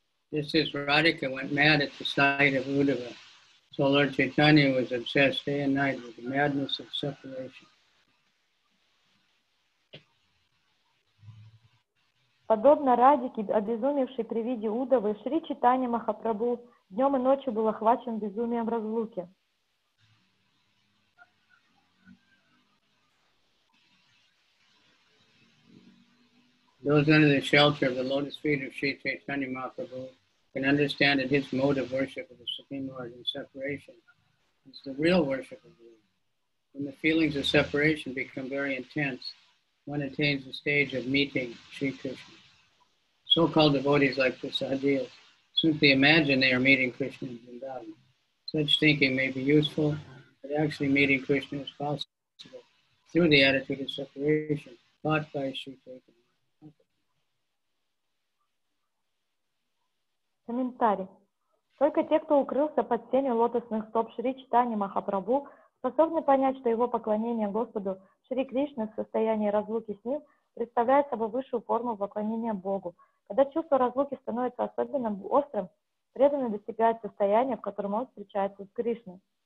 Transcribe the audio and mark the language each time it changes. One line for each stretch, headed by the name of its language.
English: This is Radhika went mad at the sight of Uddhava. So Lord Chaitanya was obsessed day and night with the madness of separation.
Russian: Подобно Радике, обезумевшей при виде Уддавы, Шри Чайтанья Махапрабху днем и ночью был охвачен безумием разлуки.
English: Those under the shelter of the lotus feet of Sri Chaitanya Mahaprabhu can understand that his mode of worship of the Supreme Lord in separation is the real worship of the Lord. When the feelings of separation become very intense, one attains the stage of meeting Sri Krishna. So-called devotees like the Sahadeas simply imagine they are meeting Krishna in Vrindavan. Such thinking may be useful, but actually meeting Krishna is possible through the attitude of separation taught by Sri Chaitanya.
Russian: Комментарий. Только те, кто укрылся под тенью лотосных стоп Шри Чайтаньи Махапрабху, способны понять, что его поклонение Господу Шри Кришне в состоянии разлуки с ним представляет собой высшую форму поклонения Богу. Когда чувство разлуки становится особенно острым, преданный достигает состояния, в котором он встречается с Кришной.